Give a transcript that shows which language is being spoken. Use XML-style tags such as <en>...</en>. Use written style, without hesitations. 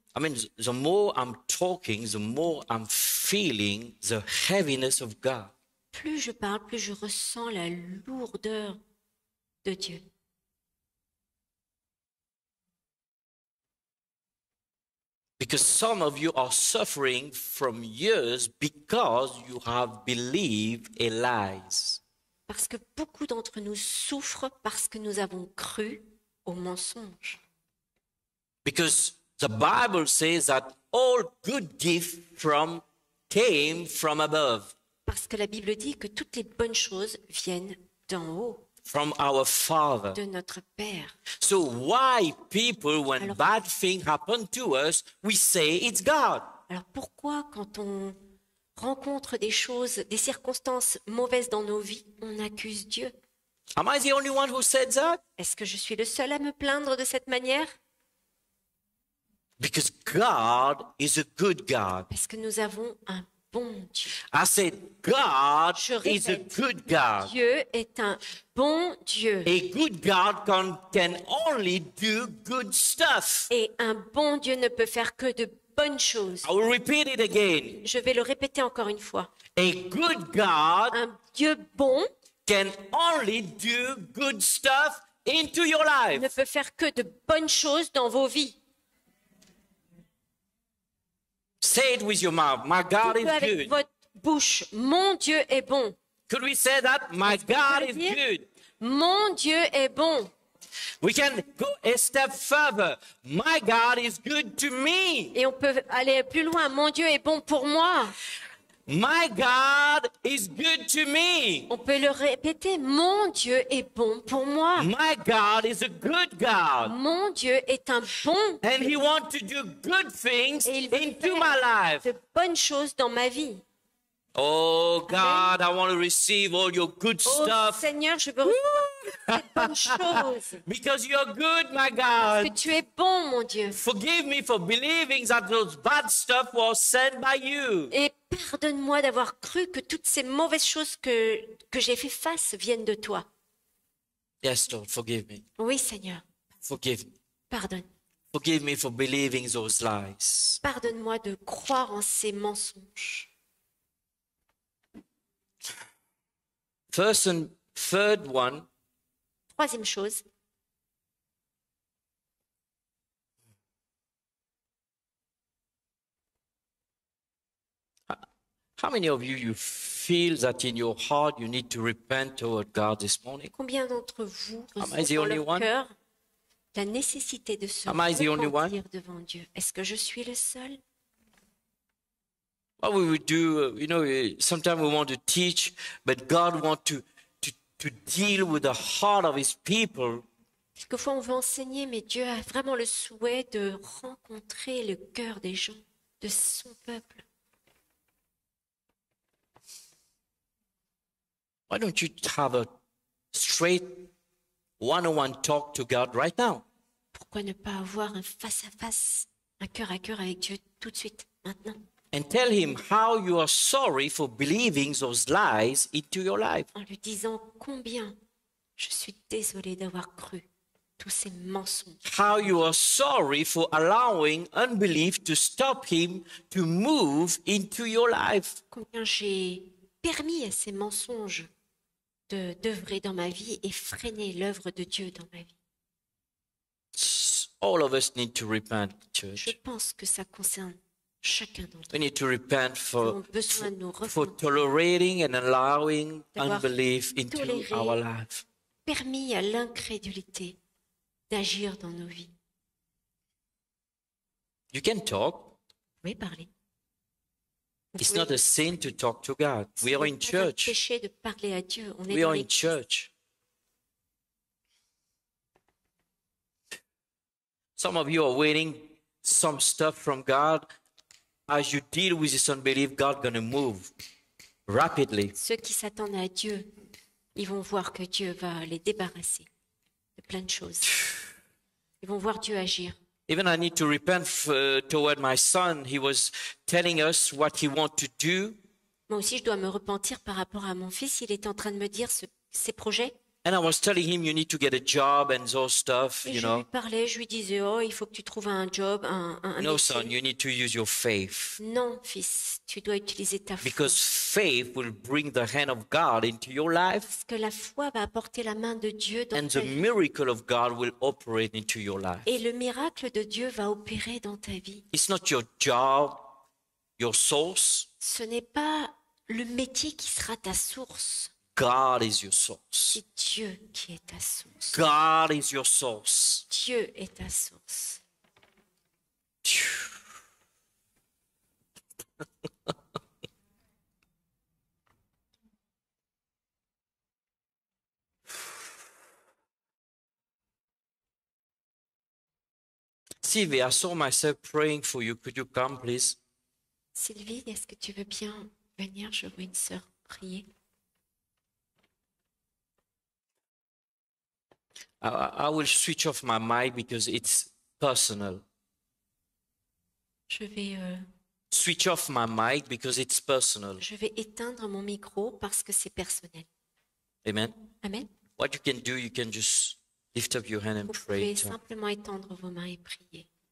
<en>I mean, the more I'm talking, the more I'm feeling the heaviness of God.</en> <fr>Plus je parle, plus je ressens la lourdeur de Dieu.</fr> <en>Because some of you are suffering from years because you have believed a lies.</en> <fr>Parce que beaucoup d'entre nous souffrent parce que nous avons cru aux mensonges.</fr> <en>Because the Bible says that all good gifts came from above.</en> <fr>Parce que la Bible dit que toutes les bonnes choses viennent d'en haut.</fr> <en>From our Father.</en> <fr>De notre Père.</fr> <en>So why people, when alors, bad things happen to us, we say it's God.</en> <fr>Alors pourquoi quand on rencontre des choses, des circonstances mauvaises dans nos vies, on accuse Dieu?</fr> <en>Am I the only one who said that?</en> <fr>Est-ce que je suis le seul à me plaindre de cette manière?</fr> <en>Because God is a good God.</en> <fr>Parce que nous avons un bon Dieu.</fr> <en>I said God is a good God.</en> <fr>Dieu est un bon Dieu.</fr> <en>A good God can only do good stuff.</en> <fr>Et un bon Dieu ne peut faire que de bonnes choses.</fr> <en>I will repeat it again.</en> <fr>Je vais le répéter encore une fois.</fr> <en>A good God,</en> <fr>un Dieu bon,</fr> <en>can only do good stuff into your life.</en> <fr>Ne peut faire que de bonnes choses dans vos vies.</fr> <en>Say it with your mouth. My God is good.</en> <fr>Avec votre bouche. Mon Dieu est bon.</fr> <en>Could we say that? My God is good.</en> <fr>Mon Dieu est bon.</fr> <en>We can go a step further. My God is good to me.</en> <fr>Et on peut aller plus loin. Mon Dieu est bon pour moi.</fr> <en>My God is good to me.</en> <fr>On peut le répéter. Mon Dieu est bon pour moi.</fr> <en>My God is a good God.</en> <fr>Mon Dieu est un bon.</fr> <en>And He wants to do good things into my life.</en> <fr>De bonnes choses dans ma vie.</fr> <en>Oh God, amen. I want to receive all your good stuff.</en> <fr>Oh Seigneur, je veux recevoir toutes les bonnes choses.</fr> <en>Because you're good, my God.</en> <fr>Parce que tu es bon, mon Dieu.</fr> <en>Forgive me for believing that those bad stuff was sent by you.</en> <fr>Et pardonne-moi d'avoir cru que toutes ces mauvaises choses que j'ai fait face viennent de toi.</fr> <en>Yes, Lord, forgive me.</en> <fr>Oui, Seigneur.</fr> <en>Forgive me.</en> <fr>Pardonne.</fr> <en>Forgive me for believing those lies.</en> <fr>Pardonne-moi de croire en ces mensonges.</fr> <en>First and third one.</en> <fr>Troisième chose.</fr> <en>How many of you feel that in your heart you need to repent toward God this morning?</en> <fr>Combien d'entre vous ressentent dans leur cœur la nécessité de se repentir devant Dieu? Est-ce que je suis le seul?</fr> <en>What we would do, you know, sometimes we want to teach, but God wants to deal with the heart of His people.</en> <fr>Quelquefois on veut enseigner, mais Dieu a vraiment le souhait de rencontrer le cœur des gens, de son peuple.</fr> <en>Why don't you have a straight one-on-one talk to God right now?</en> <fr>Pourquoi ne pas avoir un face-à-face, un cœur à cœur avec Dieu tout de suite, maintenant?</fr> <en>And tell Him how you are sorry for believing those lies into your life.</en> <fr>En lui disant combien je suis désolé d'avoir cru tous ces mensonges.</fr> <en>How you are sorry for allowing unbelief to stop Him to move into your life.</en> <fr>Combien j'ai permis à ces mensonges de œuvrer dans ma vie et freiner l'œuvre de Dieu dans ma vie.</fr> <en>All of us need to repent, church.</en> <fr>Je pense que ça concerne chacun d'entre nous.</fr> <en>We need to repent for tolerating and allowing unbelief into our life.</en> <fr>Permis à l'incrédulité d'agir dans nos vies.</fr> <en>You can talk.</en> <fr>Vous pouvez parler.</fr> <en>It's not a sin to talk to God. We are in church.</en> <fr>Péché de parler à Dieu. On</fr> <en>we</en> <fr>est</fr> <en>are in church. Some of you are waiting some stuff from God. As you deal with this unbelief, God's going to move rapidly.</en> <fr>Ceux qui s'attendent à Dieu, ils vont voir que Dieu va les débarrasser de plein de choses. Ils vont voir Dieu agir.</fr> <en>Even I need to repent toward my son. He was telling us what he wanted to do.</en> <fr>Moi aussi, je dois me repentir par rapport à mon fils. Il était en train de me dire ses projets.</fr> <en>And I was telling him, you need to get a job and those stuff,</en> <fr>et</fr> <en>you know.</en> <fr>Je lui parlais, je lui disais, oh, il faut que tu trouves un job, un</fr> <en>No, métier. Son, you need to use your faith.</en> <fr>Non, fils, tu dois utiliser ta foi.</fr> <en>Because faith will bring the hand of God into your life.</en> <fr>Parce que la foi va apporter la main de Dieu dans ta vie.</fr> <en>And the miracle of God will operate into your life.</en> <fr>Et le miracle de Dieu va opérer dans ta vie.</fr> <en>It's not your job, your source.</en> <fr>Ce n'est pas le métier qui sera ta source.</fr> <en>God is your source.</en> <fr>C'est Dieu qui est ta source.</fr> <en>God is your source.</en> <fr>Dieu est ta source.</fr> <en>Sylvie, I saw myself praying for you. Could you come, please?</en> <fr>Sylvie, est-ce que tu veux bien venir? Je vois une sœur prier.</fr> <en>I will switch off my mic because it's personal.</en> <fr>Je vais</fr> <en>switch off my mic because it's personal.</en> <fr>Je vais éteindre mon micro parce que c'est personnel.</fr> <en>Amen.</en> <fr>Amen.</fr> <en>What you can do, you can just lift up your hand and</en> <fr>Vous</fr> <en>pray.</en> <fr>Vous pouvez simplement étendre vos mains et prier.</fr>